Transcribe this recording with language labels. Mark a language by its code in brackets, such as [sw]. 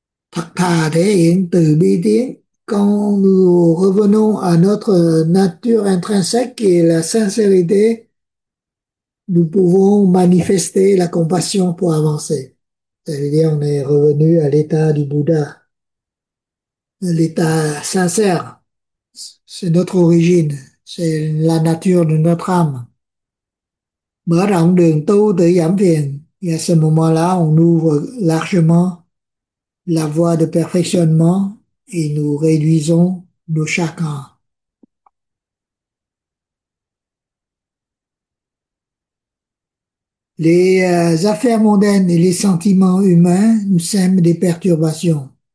[vi] Thật thà thể hiện từ bi tiến. [fr] Quand nous revenons à notre nature intrinsèque qui est la sincérité, nous pouvons manifester la compassion pour avancer. C'est-à-dire, on est revenu à l'état du Bouddha, l'état sincère. C'est notre origine, c'est la nature de notre âme. [vi] Mở rộng đường tu tự giảm phiền. [fr] Et à ce moment-là, on ouvre largement la voie de perfectionnement et nous réduisons nos chagrins. Les affaires mondaines et les sentiments humains nous sèment des perturbations.